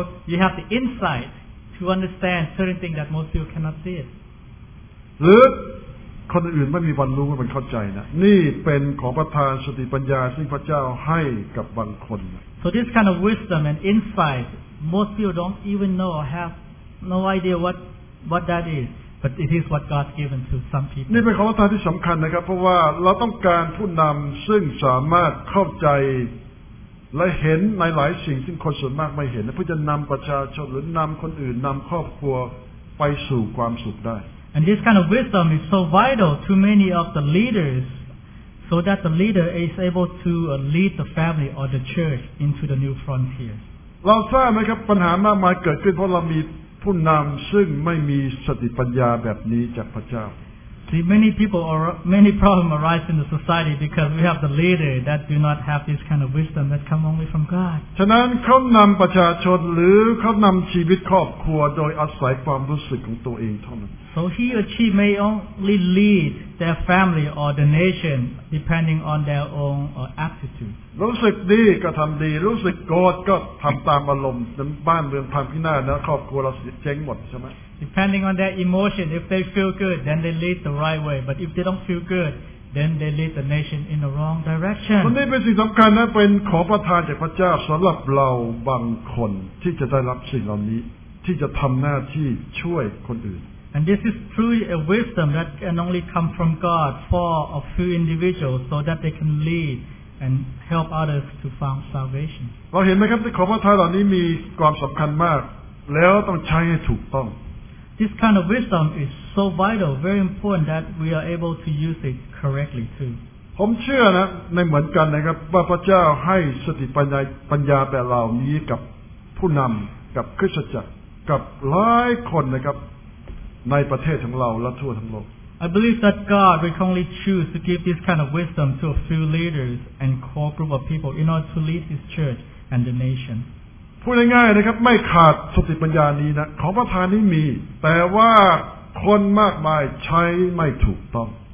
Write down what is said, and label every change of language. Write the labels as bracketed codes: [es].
[en] You have the insight to understand certain things that most people cannot see. [th] หรือคนอื่นไม่มีวันรู้ไม่เข้าใจนะนี่เป็นของประทานสติปัญญาที่พระเจ้าให้กับบางคน [en] So this kind of wisdom and insight, most people don't even know or have no idea what that is. But it is what God's given to some people. [th] นี่เป็นของประทานที่สำคัญนะครับเพราะว่าเราต้องการผู้นำซึ่งสามารถเข้าใจและเห็นในหลายสิ่งซึ่งคนส่วนมากไม่เห็นเพื่อจะนำประชาชนหรือนำคนอื่นนำครอบครัวไปสู่ความสุขได้ [en] And this kind of wisdom is so vital to many of the leaders, so that the leader is able to lead the family or the church into the new frontier. [th] เราทราบไหมครับปัญหามากมายเกิดขึ้นเพราะเรามีผู้นำซึ่งไม่มีสติปัญญาแบบนี้จากพระเจ้า [en] See, many problems arise in the society because we have the leader that do not have this kind of wisdom that come only from God. [th] ฉะนั้นเขานำประชาชนหรือเขานำชีวิตครอบครัวโดยอาศัยความรู้สึกของตัวเองเท่านั้น [en] So he or she may only lead their family or the nation depending on their own aptitude. [th] รู้สึกดีก็ทำดีรู้สึกโกรธก็ทำตามอารมณ์บ้านเมืองพังพินาศนะครอบครัวเราเจ๊งหมดใช่ไหม [en] Depending on their emotion, if they feel good, then they lead the right way. But if they don't feel good, then they lead the nation in the wrong direction. [th] นี่เป็นสิ่งสำคัญนะเป็นขอประทานจากพระเจ้าสำหรับเราบางคนที่จะได้รับสิ่งเหล่านี้ที่จะทำหน้าที่ช่วยคนอื่น [en] And this is truly a wisdom that can only come from God for a few individuals so that they can lead and help others to find salvation. [th] เราเห็นไหมครับที่ขอประทานเหล่านี้มีความสำคัญมากแล้วต้องใช้ให้ถูกต้อง [en] This kind of wisdom is so vital, very important that we are able to use it correctly too. [th] ผมเชื่อนะในเหมือนกันนะครับว่าพระเจ้าให้สติปัญญาแก่เรานี้กับผู้นำกับคริสตจักรกับหลายคนนะครับในประเทศของเราและทั่วทั้งโลก [en] I believe that God will only choose to give this kind of wisdom to a few leaders and core group of people in order to lead His church and the nation. [th] พูดง่ายๆนะครับไม่ขาดสติปัญญานี้นะของประธานนี้มีแต่ว่าคนมากมายใช้ไม่ถูกต้อง